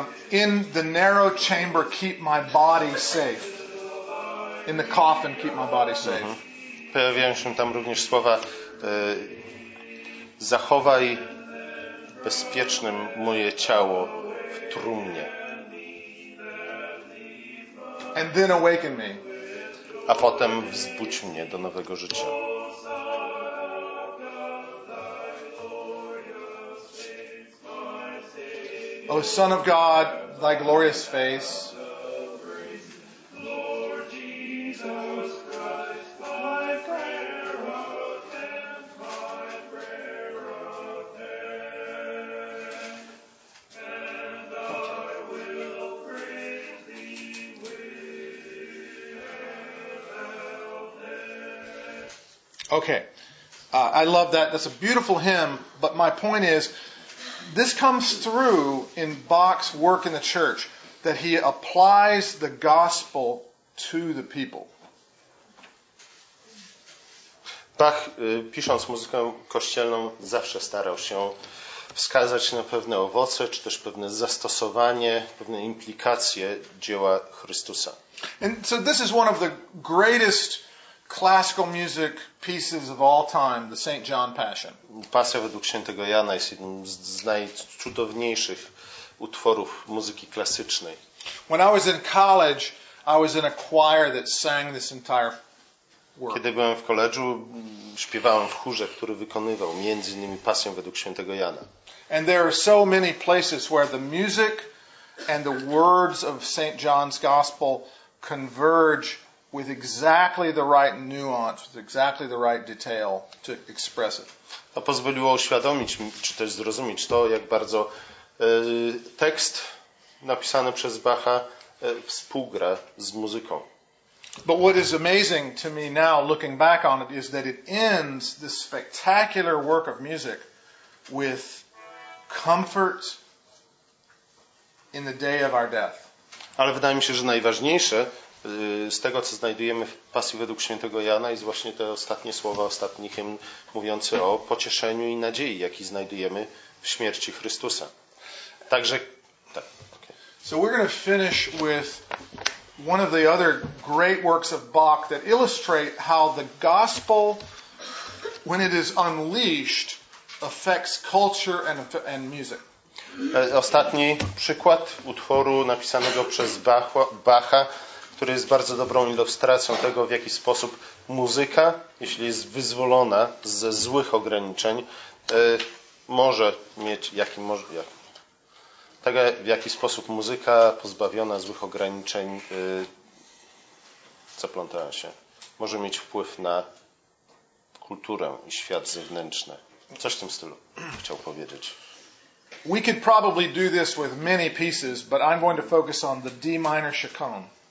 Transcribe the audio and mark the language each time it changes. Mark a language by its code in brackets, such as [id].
[en] In the narrow chamber keep my body safe. In the coffin keep my body safe. Mm-hmm. [pl] Pojawiają się tam również słowa zachowaj bezpiecznym moje ciało w trumnie. [en] And then awaken me. [pl] A potem wzbudź mnie do nowego życia. [en] O Son of God, thy glorious face. Okay, I love that. That's a beautiful hymn, but my point is, this comes through in Bach's work in the church, that he applies the gospel to the people. [pl] Bach, pisząc muzykę kościelną, zawsze starał się wskazać na pewne owoce, czy też pewne zastosowanie, pewne implikacje dzieła Chrystusa. [en] And so this is one of the greatest classical music pieces of all time, the St. John Passion. [pl] Pasja według Świętego Jana jest jednym z najcudowniejszych utworów muzyki klasycznej. [en] When I was in college, I was in a choir that sang this entire work. [pl] Kiedy byłem w koledżu, śpiewałem w chórze, który wykonywał między innymi Pasję według Świętego Jana. [en] And there are so many places where the music and the words of St. John's Gospel converge with exactly the right nuance, with exactly the right detail to express it. [pl] To pozwoliło uświadomić czy też zrozumieć to, jak bardzo tekst napisany przez Bacha współgra z muzyką. [en] But what is amazing to me now, looking back on it, is that it ends this spectacular work of music with comfort in the day of our death. [pl] Ale wydaje mi się, że najważniejsze z tego, co znajdujemy w Pasji według Świętego Jana, jest właśnie te ostatnie słowa, ostatni hymn mówiący o pocieszeniu i nadziei, jaki znajdujemy w śmierci Chrystusa. Także tak. [en] Okay. So we're going to finish with one of the other great works of Bach that illustrate how the gospel, when it is unleashed, affects culture and music. [pl] Ostatni przykład utworu napisanego przez Bacha, który jest bardzo dobrą ilustracją tego, w jaki sposób muzyka, jeśli jest wyzwolona ze złych ograniczeń, może mieć jaki może jak, tego, w jaki sposób muzyka pozbawiona złych ograniczeń, zaplątała się, może mieć wpływ na kulturę i świat zewnętrzny. Coś w tym stylu chciał powiedzieć. [en] We could probably do this with many pieces, but I'm going to focus on the D minor chaconne.